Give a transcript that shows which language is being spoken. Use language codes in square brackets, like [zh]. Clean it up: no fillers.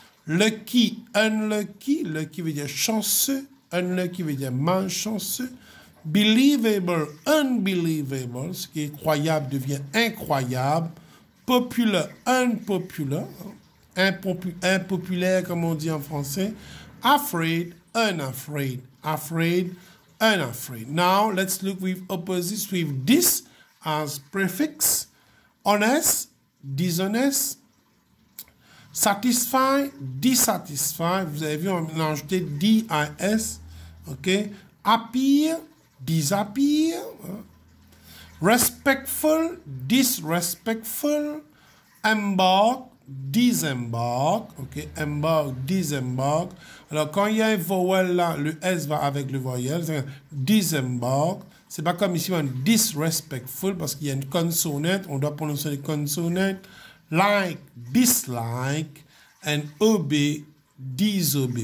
[fr] Lucky, unlucky, lucky veut dire chanceux. Unlucky veut dire malchanceux. Believable, unbelievable, ce qui est croyable devient incroyable. Popular, unpopular, hein, impopulaire comme on dit en français. [en] Afraid, unafraid, afraid. Unafraid. Now, let's look with opposites with this as prefix. Honest, dishonest. Satisfy, dissatisfy. [fr] Vous avez vu, on a ajouté D-I-S. [en] OK. Appear, disappear. Respectful, disrespectful. Embark, disembark. OK. Embark, disembark. [fr] Alors, quand il y a un vowel là, le S va avec le voyelle, c'est disembark. C'est pas comme ici, on disrespectful, parce qu'il y a une consonante, on doit prononcer les consonantes. [en] Like, dislike, and obey, disobey.